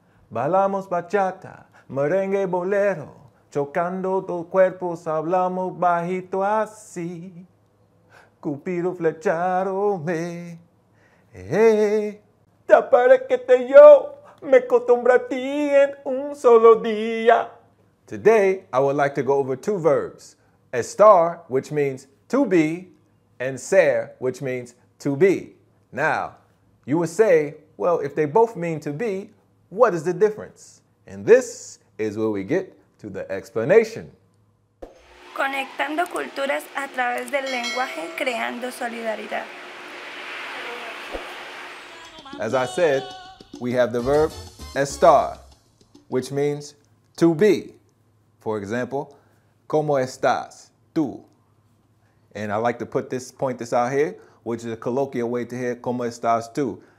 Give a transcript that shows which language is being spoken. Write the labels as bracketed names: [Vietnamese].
[Spanish] Bailamos bachata, merengue, bolero, chocando dos cuerpos, hablamos bajito así, Cupido flecharome, hey, hey. Te apareciste yo, me acostumbré a ti en un solo día. [English] Today, I would like to go over two verbs. Estar, which means to be, and ser, which means to be. Now, you would say, well, if they both mean to be, what is the difference? And this is where we get to the explanation. [Spanish] Conectando culturas a través del lenguaje, creando solidaridad. [English] As I said, we have the verb estar, which means to be. For example, [Spanish] ¿cómo estás? Tú. [English] And I like to put this, point this out here, which is a colloquial way to hear [Spanish] ¿cómo estás tú?